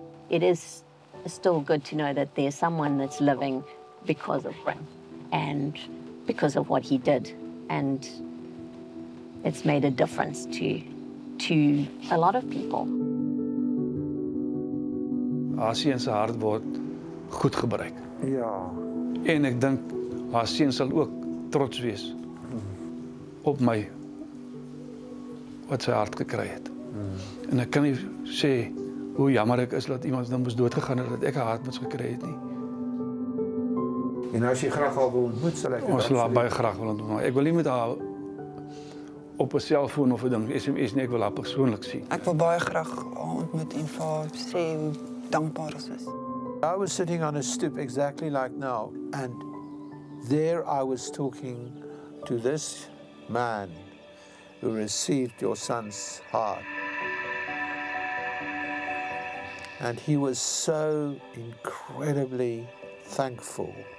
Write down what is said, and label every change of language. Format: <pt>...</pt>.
<en>It is still good to know that there's someone that's living because of Bryn and because of what he did. And it's made a difference to a lot of people.</en> <af>Haar se hart word goed gebruik. Ja. En ek dink haar seun sal ook trots wees op my wat sy hart gekry het. En ek kan nie sê hoe jammer ek is dat iemand nou moes doodgegaan het dat ek 'n hart moes gekry het nie. En as jy graag al wil ontmoet, sal ek ons laat baie graag wil ontmoet. Ek wil nie met haar op 'n selfoon of 'n ding SMS nie, ek wil haar persoonlik sien. Ek wil baie graag ontmoet en vir haar sê hoe dankbaar ons is.</af> <en>I was sitting on a stoop exactly like now, and there I was talking to this man who received your son's heart. And he was so incredibly thankful.</en>